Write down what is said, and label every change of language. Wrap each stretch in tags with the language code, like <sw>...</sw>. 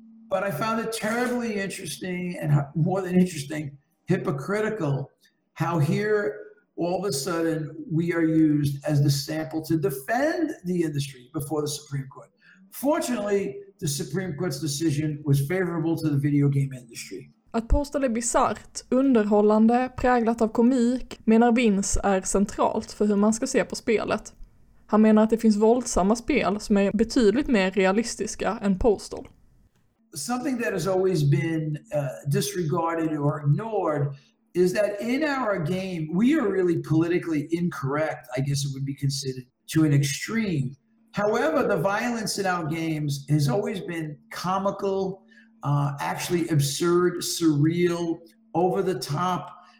<en>But I found it terribly interesting, and more than interesting, hypocritical, how here all of a sudden we are used as the sample to defend the industry before the Supreme Court. Fortunately, the Supreme Court's decision was favorable to the video game industry.</en> <sv>Att Postal är bisarrt, underhållande, präglat av komik, menar Vince är centralt för hur man ska se på spelet. Han menar att det finns våldsamma spel som är betydligt mer realistiska än Postal.</sv> <en>Something that has always been disregarded or ignored is that in our game, we are really politically incorrect, I guess it would be considered, to an extreme. However, the violence in our games has always been comical, actually absurd, surreal, over the top.</en>